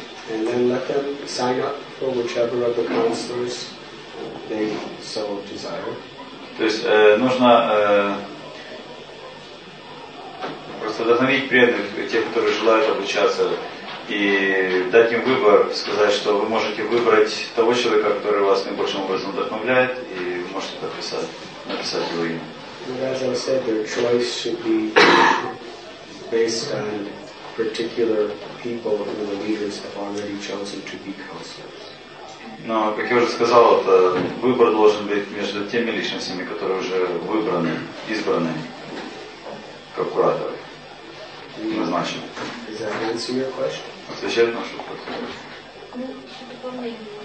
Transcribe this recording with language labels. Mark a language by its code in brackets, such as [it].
[en] And then let them sign up for whichever of the counselors they so desire. [ru] То есть нужно просто вдохновить преданных, тех, которые желают обучаться, и дать им выбор, сказать, что вы можете выбрать того человека, который вас наибольшим образом вдохновляет, и вы можете написать его имя. [en] But as I said, their choice should be based on particular people who the leaders have already chosen to be counselors. [ru] Но, как я уже сказал, это выбор должен быть между теми личностями, которые уже выбраны, избраны как кураторы, назначены. [en] Does that answer your question? [ru] Отвечает на вашу вопрос. Ну, еще дополнение.